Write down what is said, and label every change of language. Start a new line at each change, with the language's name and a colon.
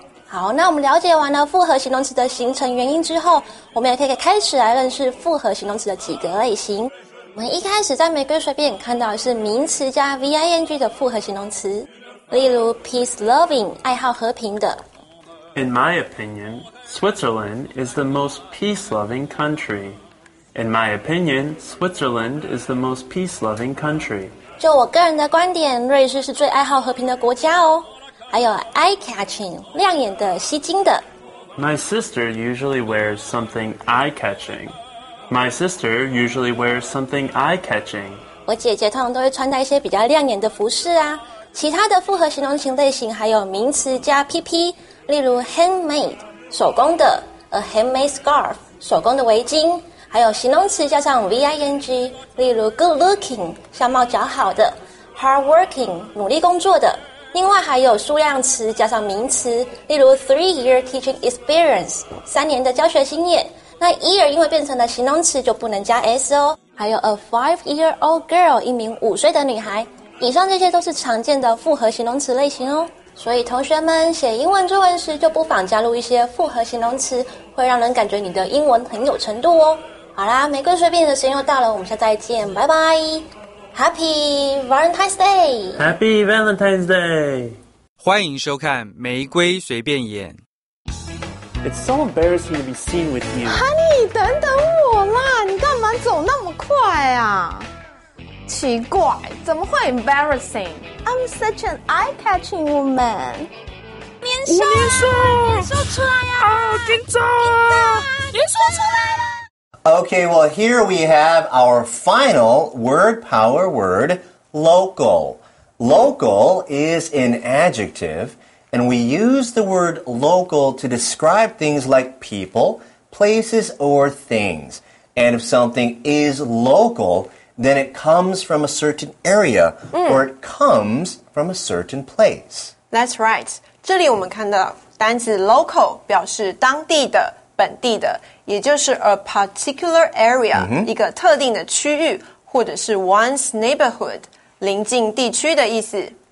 Chinese: 好，那我们了解完了复合形容词的形成原因之后，我们也可以开始来认识复合形容词的几个类型。我们一开始在玫瑰随便看到的是名词加 V-I-N-G 的复合形容词，例如 peace loving 爱好和平的。
English: In my opinion, Switzerland is the most peace-loving country. In my opinion, Switzerland is the most peace-loving country.
Chinese: 就我个人的观点，瑞士是最爱好和平的国家哦。还有 eye-catching, 亮眼的、吸睛的。
English: My sister usually wears something eye-catching. My sister usually wears something eye-catching.
Chinese: 我姐姐通常都会穿戴一些比较亮眼的服饰啊。其他的复合形容词类型还有名词加 PP。例如 handmade 手工的 a handmade scarf 手工的围巾，还有形容词加上 V-I-N-G， 例如 good looking 相貌较好的 ，hard working 努力工作的。另外还有数量词加上名词，例如 3-year teaching experience 三年的教学经验。那 year 因为变成了形容词就不能加 s 哦。还有 a 5-year-old girl 一名五岁的女孩。以上这些都是常见的复合形容词类型哦。所以同学们写英文作文时就不妨加入一些复合形容词，会让人感觉你的英文很有程度哦。好啦，玫瑰随便的时间又到了，我们下次再见，拜拜。
English: Happy Valentine's Day! Happy Valentine's Day!
Chinese: 欢迎收看玫瑰随便演。
English: It's so embarrassing to be seen with you.
Chinese: Honey, 等等我啦，你干嘛走啊？奇怪，怎么会 embarrassing?
English: I'm such an eye-catching woman.
Chinese: 年少，年少，说出来呀！啊，紧张，你说出来了。
English: Okay, well, here we have our final word power word, local. Local is an adjective, and we use the word local to describe things like people, places, or things. And if something is local, then it comes from a certain area, or it comes from a certain place. That's right.
Chinese: 这里我们看到单词 local 表示当地的本地的，也就是
English: a particular area,、
Chinese: mm-hmm. 一个特定的区域，或者是
English: one's neighborhood,
Chinese: 邻近地区的意思。